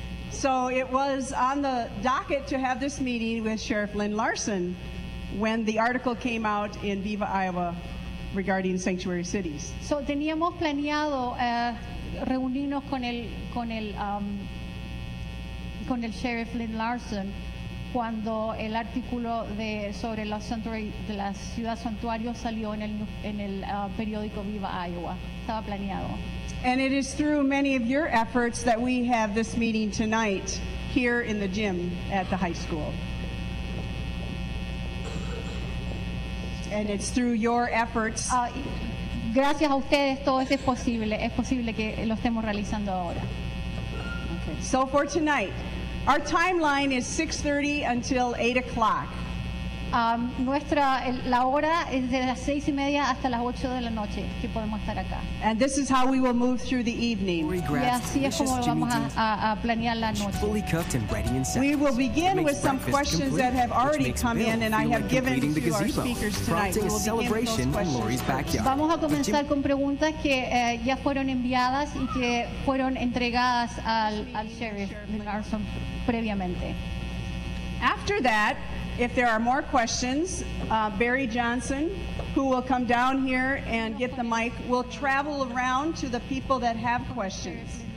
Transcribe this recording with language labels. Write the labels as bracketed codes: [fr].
[en] So it was on the docket to have this meeting with Sheriff Lynn Larson when the article came out in Viva Iowa regarding sanctuary cities. [es] So teníamos planeado reunirnos con el sheriff Lynn Larson cuando el artículo sobre la ciudad santuario salió en el periódico Viva Iowa. Estaba planeado. [en] And it is through many of your efforts that we have this meeting tonight here in the gym at the high school. And it's through your efforts. [es] Gracias a ustedes, todo eso es posible que lo estemos realizando ahora. [en] Okay. So for tonight, our timeline is 6:30 until 8 o'clock. [es] La hora es de las 6:30 hasta las 8 de la noche que podemos estar acá. [en] And this is how we will move through the evening. [es] Y así es como vamos a planear la noche. [en] Fully cooked and ready in seconds. We will begin with some questions that have already come in and I have given to our speakers tonight. We will begin with those questions. [es] Vamos a comenzar con preguntas que ya fueron enviadas y que fueron entregadas al sheriff Larson previamente. [en] After that, if there are more questions, Barry Johnson, who will come down here and get the mic, will travel around to the people that have questions.